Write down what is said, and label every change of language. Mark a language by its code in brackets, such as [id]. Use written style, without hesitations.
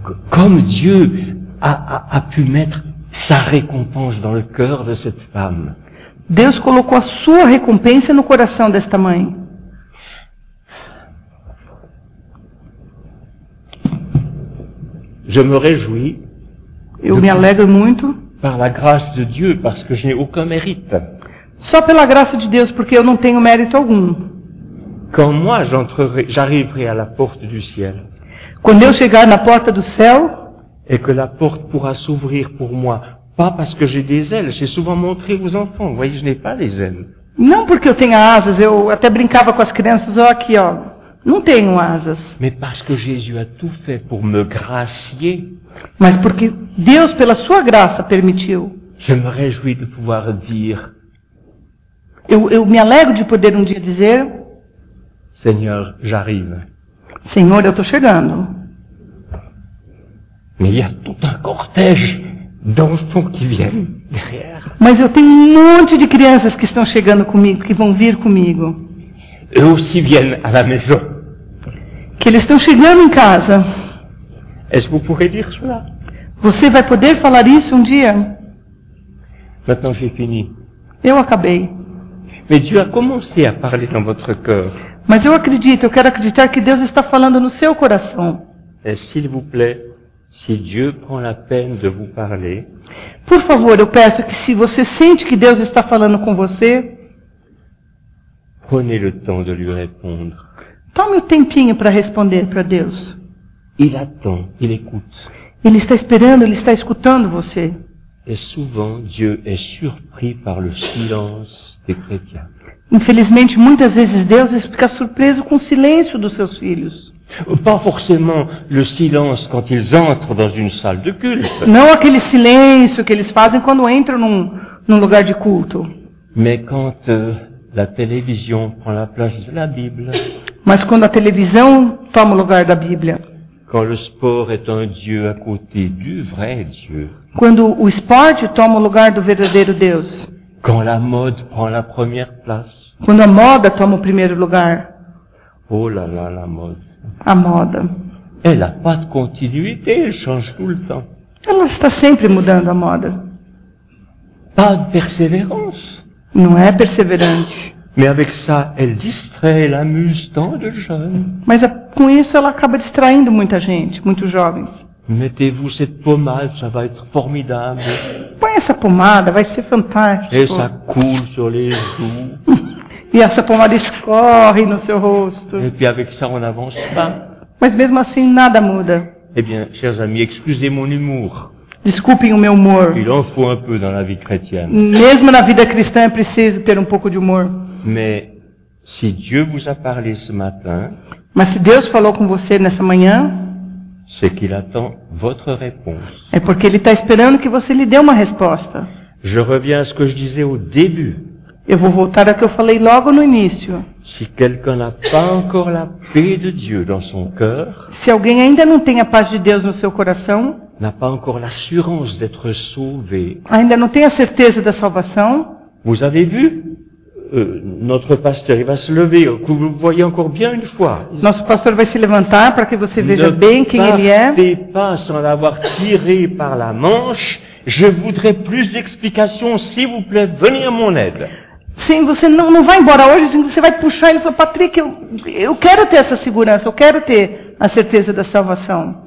[fr] Como Deus a pu mettre sa récompense dans le cœur de cette femme. [pt] Deus colocou a sua recompensa no coração desta mãe. [fr] Je me réjouis. [pt] Eu me alegro muito. [fr] Par la grâce de Dieu, parce que je n'ai aucun mérite. [pt] Só pela graça de Deus, porque eu não tenho mérito algum. [fr] Quand moi j'arriverai à la porte du ciel. [pt] Quando eu chegar na porta do céu. [fr] Et que la porte pourra s'ouvrir pour moi, pas parce que j'ai des ailes. J'ai souvent montré aux enfants. Vous voyez, je n'ai pas les ailes. [pt] Não porque eu tenha asas. Eu até brincava com as crianças. Ó, aqui, ó. Não tenho asas. [fr] Mais parce que Jésus a tout fait pour me gracier. [pt] Mas porque Deus, pela sua graça, permitiu. [fr] Je me réjouis de pouvoir dire. [pt] Eu me alegro de poder um dia dizer. [fr] Seigneur, j'arrive. [pt] Senhor, eu estou chegando. [fr] Mais il y a tout un cortège d'enfants qui viennent derrière. [pt] Mas eu tenho um monte de crianças que estão chegando comigo, que vão vir comigo. [fr] Eux aussi viennent à la maison. [pt] Que eles estão chegando em casa. [fr] Est-ce que vous pourrez dire cela? [pt] Você vai poder falar isso um dia? [fr] Maintenant j'ai fini. [pt] Eu acabei. [fr] Mais Dieu a commencé à parler dans votre cœur. [pt] Mas eu acredito, eu quero acreditar que Deus está falando no seu coração. [fr] Et s'il vous plaît, si Dieu prend la peine de vous parler. [pt] Por favor, eu peço que se você sente que Deus está falando com você, [fr] prenez le temps de lui répondre. [pt] Tome o tempinho para responder para Deus. [fr] Il attend, il écoute. [pt] Ele está esperando, ele está escutando você. [fr] Et souvent Dieu est surpris par le silence des chrétiens. [pt] Infelizmente, muitas vezes Deus fica surpreso com o silêncio dos seus filhos. [fr] Pas forcément le silence quand ils entrent dans une salle de culte. [pt] Não aquele silêncio que eles fazem quando entram num lugar de culto. [fr] Mais quand la télévision prend la place de la Bible. [pt] Mas quando a televisão toma o lugar da Bíblia. [fr] Quand le sport est un dieu à côté du vrai Dieu. [pt] Quando o esporte toma o lugar do verdadeiro Deus. [fr] Quand la mode prend la première place. [pt] Quando a moda toma o primeiro lugar. [fr] Oh là là, la mode. [pt] A moda. [fr] Elle a pas de continuité, elle change tout le temps. [pt] Ela está sempre mudando a moda. [fr] Pas de persévérance. [pt] Não é perseverante. [fr] Mais avec ça, elle distrait, elle amuse tant de jeunes. [pt] Mas com isso ela acaba distraindo muita gente, muitos jovens. [fr] Mettez-vous cette pommade, ça va être formidable. [pt] Põe essa pomada, vai ser fantástico. [fr] Et ça coule sur les joues. [pt] E essa pomada escorre no seu rosto. [fr] Et puis avec ça, on n'avance pas. [pt] Mas mesmo assim, nada muda. [fr] Eh bien, chers amis, excusez mon humour. [pt] Desculpem o meu humor. [fr] Il en faut un peu dans la vie chrétienne. [pt] Mesmo na vida cristã é preciso ter um pouco de humor. [fr] Mais si Dieu vous a parlé ce matin, [pt] mas se Deus falou com você nessa manhã, [fr] c'est qu'il attend votre réponse. [pt] É porque ele está esperando que você lhe dê uma resposta. [fr] Je reviens à ce que je disais au début. [pt] Eu vou voltar ao que eu falei logo no início. [fr] Si quelqu'un n'a pas encore la paix de Dieu dans son cœur, [pt] se alguém ainda não tem a paz de Deus no seu coração, [fr] n'a pas encore l'assurance d'être sauvé, [pt] ainda não tem a certeza da salvação, [fr] vous avez vu? Notre pasteur, il va se lever, que vous voyez encore bien une fois. Nosso pastor vai se levantar para que você veja bem quem ele é. Ne partez pas sans l'avoir tiré par la manche. Je voudrais plus d'explications, s'il vous plaît, venez à mon aide. [pt] Sim, você não vai embora hoje, sim, você vai puxar ele e falar, Patrick, eu quero ter essa segurança, eu quero ter a certeza da salvação.